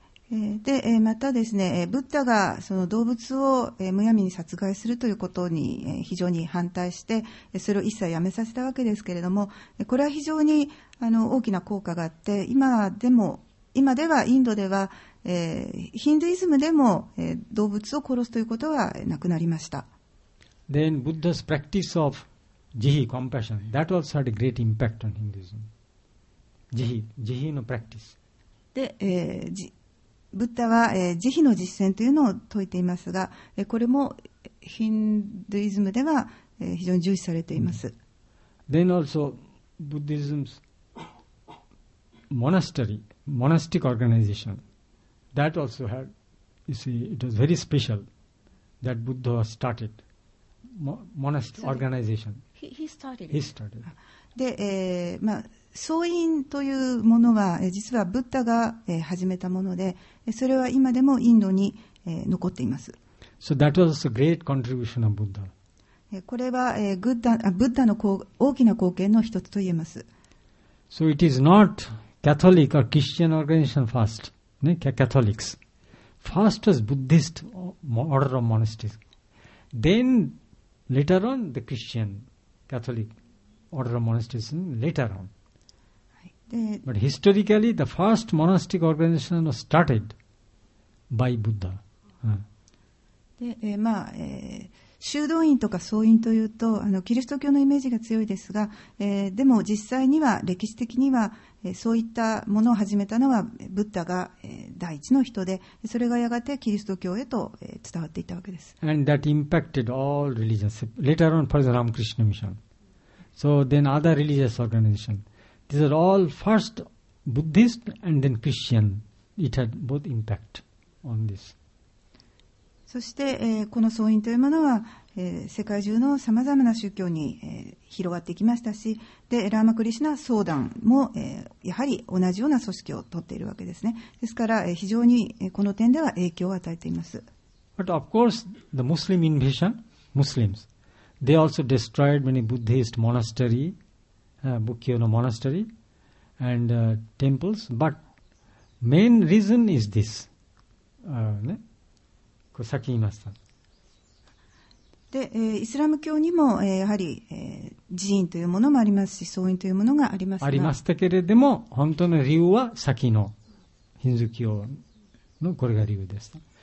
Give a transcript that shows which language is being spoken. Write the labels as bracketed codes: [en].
[ja] でまたですね、ブッダがその動物をむやみに殺害するということに非常に反対して、それを一切やめさせたわけですけれども、これは非常に大きな効果があって、今ではインドでは、ヒンドゥイズムでも動物を殺すということはなくなりました。 [en] Then Buddha's practice of jihi, compassion, that also had a great impact on Hinduism. Jihi の practice. [ja] で、ブッダは、慈悲の実践というのを説いていますが、これもヒンドゥイズムでは、非常に重視されています。 [en] Then also Buddhism's monastic organization, that also had, you see, it was very special that Buddha started monastic organization. He started. [ja] で、まあ僧院というものは実はブッダが始めたもので、それは今でもインドに残っています。 [en] So that was a great contribution of Buddha. [ja] これはブッダの大きな貢献の一つと言えます。 [en] So it is not Catholic or Christian organization first, Catholics. First was Buddhist order of monasteries. Then later on the Christian Catholic order of monasteries later on. But historically, the first monastic organization was started by Buddha. [ja] で、まあ、修道院とか僧院というと、キリスト教のイメージが強いですが、でも実際には歴史的には、そういったものを始めたのはブッダが、第一の人で、それがやがてキリスト教へと、伝わっていたわけです。 [en] And that impacted all religions. Later on, for the Ramakrishna Mission. So then other religious organizationThese are all first Buddhist and then Christian. It had both impact on this. [ja] そして、この僧院というものは、世界中のさまざまな宗教に、広がってきましたし、でラーマクリシナ僧団も、やはり同じような組織を取っているわけですね。ですから、非常に、この点では影響を与えています。 [en] But of course, the Muslim invasion, Muslims, they also destroyed many Buddhist monasteries. [ja] Bukkyo no [en] monastery and temples, but main reason is this. [ja] こう先言いました。で、イスラム教にも、やはり、寺院というものもありますし、僧院というものがありますが。ありましたけれども、本当の理由は先のヒンズー教のこれが理由でした。